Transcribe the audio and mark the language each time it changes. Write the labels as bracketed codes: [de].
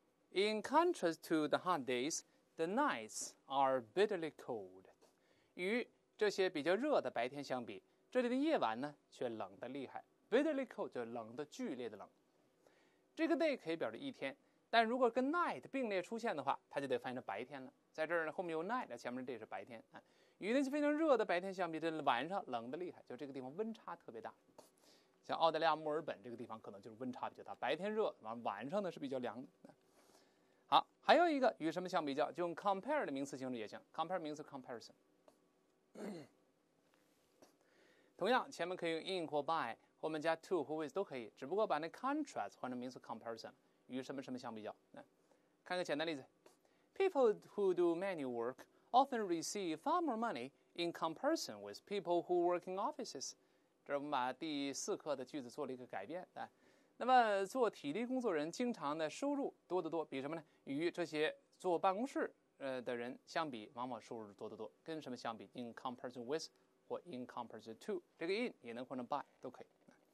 [en] In contrast to the hot days, the nights are bitterly cold. [zh] 与这些比较热的白天相比，这里的夜晚呢却冷得厉害。 [en] Bitterly cold [zh] 就冷的剧烈的冷。这个 day 可以表示一天，但如果跟 night 并列出现的话，它就得翻译成白天了。在这儿呢，后面有 night， 前面的 day 是白天啊。与那些非常热的白天相比，这晚上冷得厉害，就这个地方温差特别大。像澳大利亚墨尔本这个地方可能就是温差比较大，白天热，晚上呢是比较凉的。好，还有一个与什么相比较，就用 compare 的名词形式也行， compare 名词 comparison。同样，前面可以用 in 或 by， 后面加 to 或 with 都可以，只不过把那 contrast 换成名词 comparison， 与什么什么相比较。看个简单例子 [en] ，People who do manual work often receive far more money in comparison with people who work in offices。 [zh] 这我们把第四课的句子做了一个改变，来。那么做体力工作人经常的收入多得多，比什么呢？与这些坐办公室的人相比，往往收入多得多。跟什么相比 ？ [en] In comparison with [zh] 或 [en] in comparison to， [zh] 这个 in 也能换成 by 都可以。